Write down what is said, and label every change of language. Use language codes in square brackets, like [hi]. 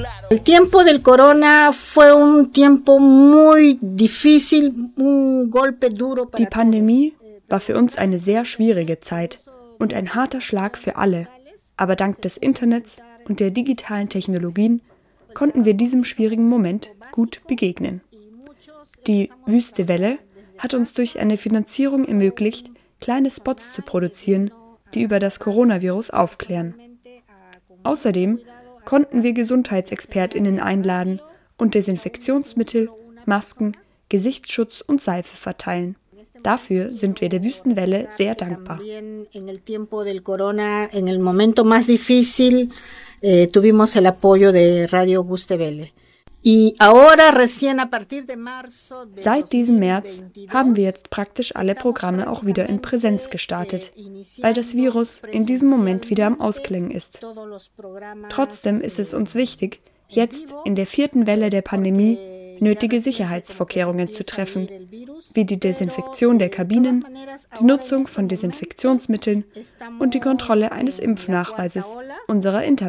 [es] El tiempo del corona fue un tiempo muy difícil, un golpe duro. [de] Die Pandemie war für uns eine sehr schwierige Zeit und ein harter Schlag für alle. Aber dank des Internets und der digitalen Technologien konnten wir diesem schwierigen Moment gut begegnen. Die Wüste Welle hat uns durch eine Finanzierung ermöglicht, kleine Spots zu produzieren, die über das Coronavirus aufklären. Außerdem konnten wir GesundheitsexpertInnen einladen und Desinfektionsmittel, Masken, Gesichtsschutz und Seife verteilen. Dafür sind wir der Wüstenwelle sehr dankbar. [es] En el tiempo del corona, en el momento más difícil, tuvimos el apoyo de Radio Wüstenwelle. Y ahora recién a partir de marzo. [de] Seit diesem März haben wir jetzt praktisch alle Programme auch wieder in Präsenz gestartet, weil das Virus in diesem Moment wieder am Ausklingen ist. Trotzdem ist es uns wichtig, jetzt in der vierten Welle der Pandemie nötige Sicherheitsvorkehrungen zu treffen, wie die Desinfektion der Kabinen, die Nutzung von Desinfektionsmitteln und die Kontrolle eines Impfnachweises unserer